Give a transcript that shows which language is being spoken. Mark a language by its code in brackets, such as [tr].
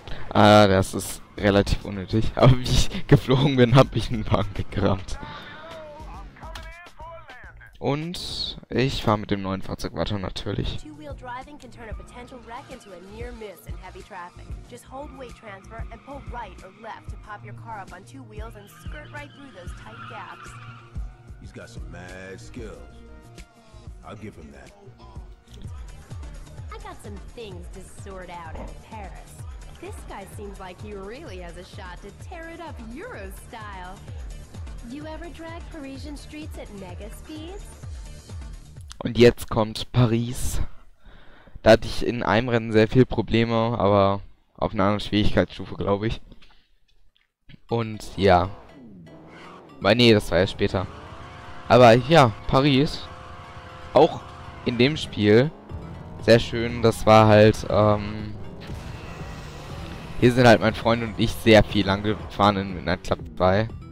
[de] Ah, das ist relativ unnötig. Aber wie ich geflogen bin, habe ich einen Wagen weggerammt. Und ich fahre mit dem neuen Fahrzeug weiter, natürlich. [en] Two-wheel-driving can turn a potential wreck into a near miss in heavy traffic. Just hold weight transfer and pull right or left to pop your car up on two wheels and skirt right through those tight gaps. He's got some mad skills. I'll give him that. I got some things to sort out in Paris. This guy seems like he really has a shot to tear it up Euro style. You ever drag Parisian streets at mega speeds? [de] Und jetzt kommt Paris. Da hatte ich in einem Rennen sehr viel Probleme, aber auf einer anderen Schwierigkeitsstufe, glaube ich. Und ja. Weil nee, das war ja später. Aber ja, Paris. Auch in dem Spiel. Sehr schön. Das war halt, hier sind halt mein Freund und ich sehr viel lang gefahren in Midnight Club 2.